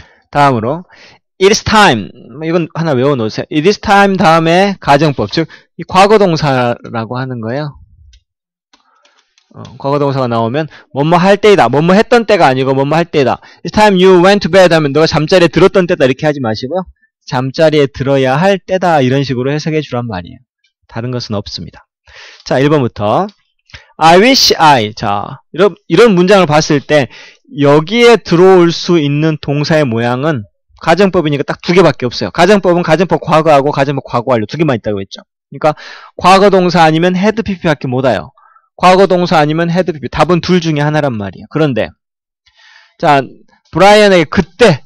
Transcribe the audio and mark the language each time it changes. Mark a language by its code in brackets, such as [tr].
[ko] 다음으로 [en] It's time. [ko] 이건 하나 외워놓으세요. [en] It is time [ko] 다음에 가정법, 즉 이 과거동사라고 하는 거예요. 과거동사가 나오면 뭐뭐 할 때이다. 뭐뭐 했던 때가 아니고 뭐뭐 할 때이다. [en] It's time you went to bed [ko] 하면 너가 잠자리에 들었던 때다 이렇게 하지 마시고요. 잠자리에 들어야 할 때다 이런 식으로 해석해 주란 말이에요. 다른 것은 없습니다. 자, 1번부터 [en] I wish I. [ko] 자, 이런 문장을 봤을 때 여기에 들어올 수 있는 동사의 모양은 가정법이니까 딱 두 개밖에 없어요. 가정법은 가정법 과거하고 가정법 과거 완료 두 개만 있다고 했죠. 그러니까 과거 동사 아니면 헤드 PP밖에 못 와요. 과거 동사 아니면 헤드 PP. 답은 둘 중에 하나란 말이에요. 그런데 자, 브라이언에게 그때.